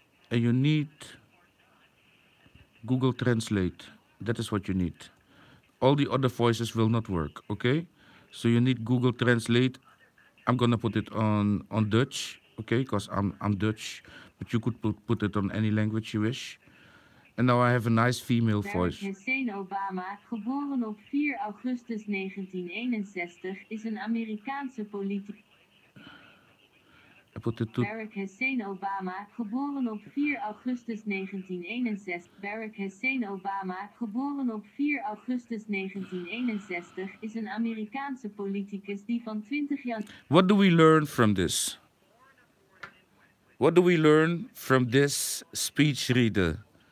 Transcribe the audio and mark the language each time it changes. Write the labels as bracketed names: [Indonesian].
[English] And you need Google Translate. That is what you need. All the other voices will not work, okay? So you need Google Translate. I'm gonna put it on Dutch, okay? Because I'm Dutch. But you could put it on any language you wish. And now I have a nice female voice. [Dutch] Barack Hussein Obama, geboren op 4 augustus 1961, is een Amerikaanse politicus. A Barack Hussein Obama, geboren op 4 augustus 1961. Barack Hussein Obama, geboren op 4 augustus 1961, is een Amerikaanse politicus die van 20 jaar. [English] What do we learn from this? What do we learn from this speech reader?